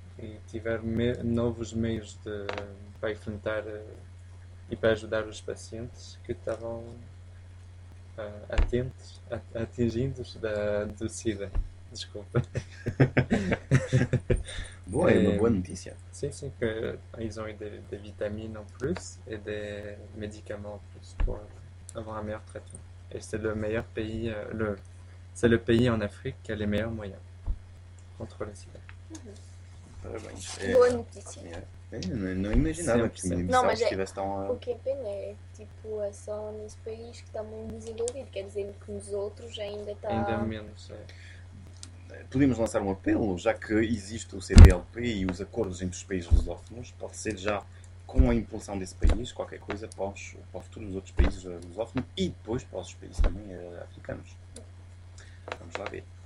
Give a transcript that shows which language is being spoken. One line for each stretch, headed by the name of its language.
Portuguese: E tiver novos meios para enfrentar e para ajudar os pacientes que estavam atentos, atingidos do SIDA. Desculpa. Boa, é uma boa notícia. Sim, que eles vão ter de vitaminas em plus e de medicamentos em plus para ter um melhor tratamento.
French: E c'est le meilleur pays, c'est le pays en Afrique qui a les meilleurs moyens contre le SIDA. Mm-hmm.
Portuguese: Parabéns. Boa notícia. Não imaginava que estivesse tão... O que é pena é, tipo, é só nesse país que está muito desenvolvido, quer dizer que nos outros ainda está... Ainda menos, é. Podíamos lançar um apelo, já que existe o CPLP e os acordos entre os países lusófonos, pode ser já com a impulsão desse país, qualquer coisa, para o futuro dos outros países lusófonos e depois para os países também africanos. Vamos lá ver.